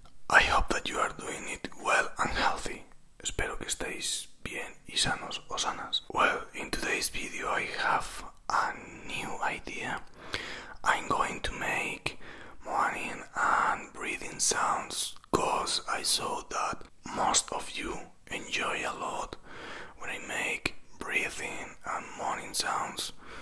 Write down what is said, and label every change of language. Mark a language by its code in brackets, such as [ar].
[en] I hope that you are doing it well and healthy. [es] Espero que estéis bien y sanos o sanas. [en] Well, in today's video I have a new idea. I'm going to make morning and breathing sounds because I saw that most of you enjoy a lot when I make breathing and morning sounds.